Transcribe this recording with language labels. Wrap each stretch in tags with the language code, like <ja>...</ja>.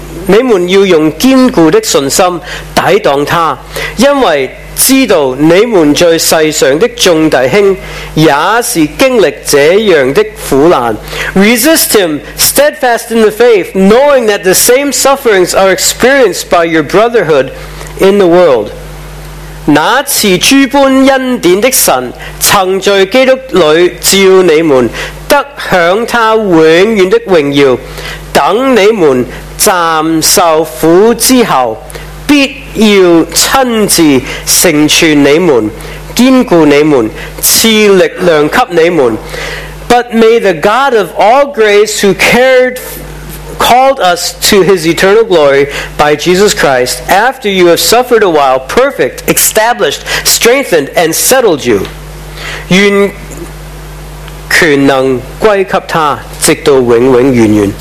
<zh>你们要用坚固的信心抵挡他，因为知道你们在世上的众弟兄也是经历这样的苦难。</zh> <en>Resist him steadfast in the faith, knowing that the same sufferings are experienced by your brotherhood in the world.</en> <zh>那赐诸般恩典的神曾在基督里召你们得享他永远的荣耀，等你们暂受苦之后必要亲自成全你们，坚固你们，赐力量给你们。</zh> <en>But may the God of all grace, who called us to His eternal glory by Jesus Christ, after you have suffered a while, perfect, established, strengthened, and settled you,</en> <zh>愿权能归给他，直到永永远远。</zh>